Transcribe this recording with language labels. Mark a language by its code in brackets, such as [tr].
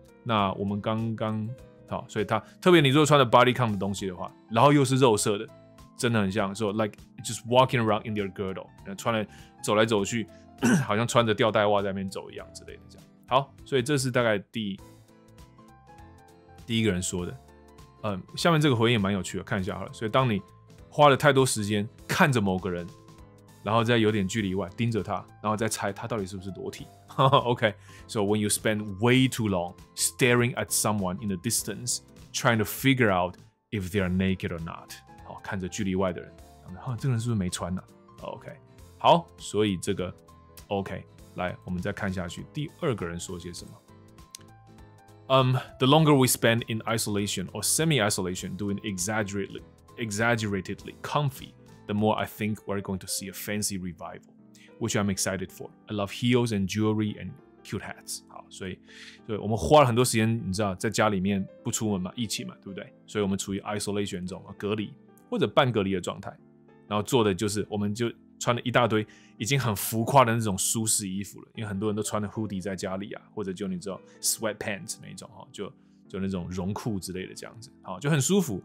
[zh] 那我们刚刚好，所以他特别你如果穿的 body count 的东西的话，然后又是肉色的，真的很像说 [en] like just walking around in their girdle， [zh] 穿来走来走去，好像穿着吊带袜在那边走一样之类的这样。好，所以这是大概第一个人说的，下面这个回应也蛮有趣的，看一下好了。所以当你花了太多时间看着某个人，然后在有点距离外盯着他，然后再猜他到底是不是裸体。 [en] Okay, so when you spend way too long staring at someone in the distance, trying to figure out if they are naked or not. [zh] 好，看着距离外的人，然后这个人是不是没穿呢？ Okay, 好，所以这个 okay， 来，我们再看下去，第二个人说些什么？ [en] The longer we spend in isolation or semi-isolation, doing exaggeratedly comfy, the more I think we're going to see a fancy revival. Which I'm excited for. I love heels and jewelry and cute hats. [zh] 好，所以我们花了很多时间，你知道，在家里面不出门嘛，疫情嘛，对不对？所以我们处于 isolation 中，隔离或者半隔离的状态。然后做的就是，我们就穿了一大堆已经很浮夸的那种舒适衣服了，因为很多人都穿的 hoodie 在家里啊，或者就你知道 sweatpants 那一种哈，就那种绒裤之类的这样子，好，就很舒服。